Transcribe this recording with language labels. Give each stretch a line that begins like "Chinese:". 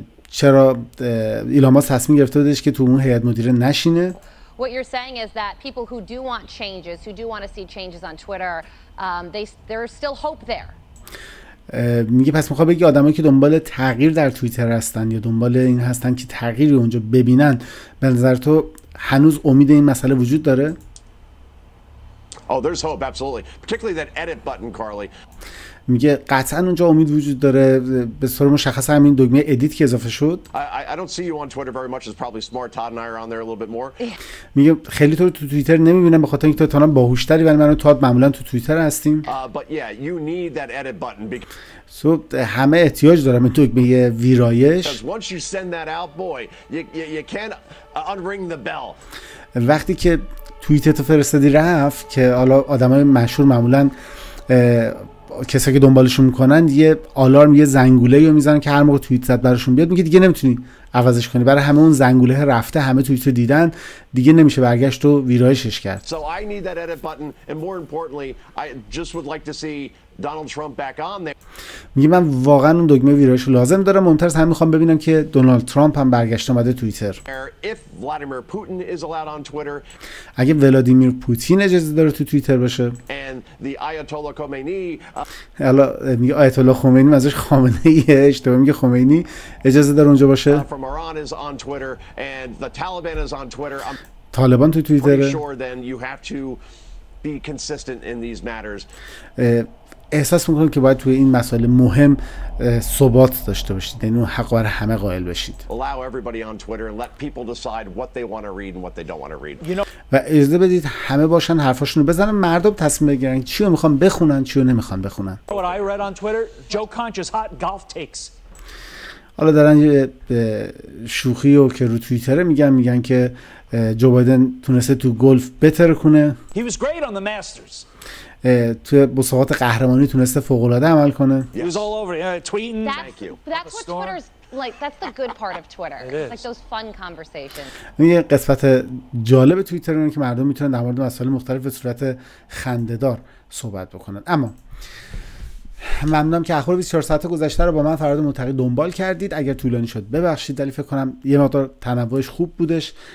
Persian: چرا ایلان ماسک تصمیم گرفته بودش که تو اون هیئت مدیره نشینه.
English: What you're saying is that people who do want changes, who do want to see changes on Twitter, there's still hope there.
Persian: میگه پس میخواد بگی آدمایی که دنبال تغییر در توییتر هستن، یا دنبال این هستن که تغییری اونجا ببینن، به نظر تو هنوز امید این مسئله وجود داره؟
English: Oh, there's hope, absolutely. Particularly that edit button, Carly.
Persian: میگه قطعا اونجا امید وجود داره، به صورت مشخص همین دگمه ادیت که اضافه شد.
English: I don't see you on Twitter very much. It's probably smart Todd and I are on there a little bit more.
Persian: میگه خیلی تو رو تو توییتر نمیبینم، به خاطر اینکه تو تانم باهوشتری، ولی من و تاد معمولا تو توییتر هستیم.
English: But yeah, you need that edit button because
Persian: so, همه احتیاج دارم این دگمه ویرایش.
English: Once you send that out, boy, you can't unring the bell.
Persian: وقتی که توییتر فرستادی رفت، که حالا آدمای مشهور معمولا کسایی که دنبالشون میکنن یه آلارم، یه زنگوله یا میزنن که هر موقع توییت زد براشون بیاد، میگه دیگه نمیتونی عوضش کنی، برای همه اون زنگوله رفته، همه توییت رو دیدن، دیگه نمیشه برگشت و ویرایشش کرد.
English: So I need that edit button, and more importantly, I just would like to see Donald Trump back on there.
Persian: میگه من واقعا اون دکمه ویرایش رو لازم دارم، منتظر هم میخوام ببینم که دونالد ترامپ هم برگشت اومده توییتر.
English: If Vladimir Putin is allowed on Twitter.
Persian: اگه ولادیمیر پوتین اجازه داره تو توییتر باشه.
English: And the Ayatollah Khomeini.
Persian: حالا میگه آیتالله خمینی، ازش خامنه ای اشتباه میگه خمینی، اجازه داره اونجا باشه.
English: From Iran is on Twitter and the Taliban is on Twitter.
Persian: طالبان تو توییتره.
English: Sure then you have to be consistent in these matters.
Persian: احساس میکنم که باید توی این مسائل مهم ثبات داشته باشید، یعنی اون حق برای همه قائل بشید،
English: allow everybody on Twitter and let people decide what they want to read and what they don't want to read.
Persian: و اجازه بدید همه باشن حرفاشون رو بزنن، مردم تصمیم بگیرن چی رو میخوان بخونن، چی رو نمیخوان بخونن.
English: What I read on Twitter, Joe Conch's hot golf takes.
Persian: حالا دارن یه شوخی رو که رو توییتره میگن که جو بایدن تونسته تو گلف بهتر کنه.
English: He was great on the Masters.
Persian: تو مسابقات قهرمانی تونسته فوق‌العاده عمل کنه.
English: He was all over. Tweeting. Thank you. That's what Twitter's like. That's the good part of Twitter. Like those fun conversations.
Persian: این یه قسمت جالب توییتر اینه که مردم میتونن در مورد مسائل مختلف به صورت خنده‌دار صحبت بکنن. اما ممنونم که اخبار 24 ساعت گذشته رو با من فراد متقی دنبال کردید. اگر طولانی شد ببخشید، ولی فکر کنم یه مقدار تنوعش خوب بودش.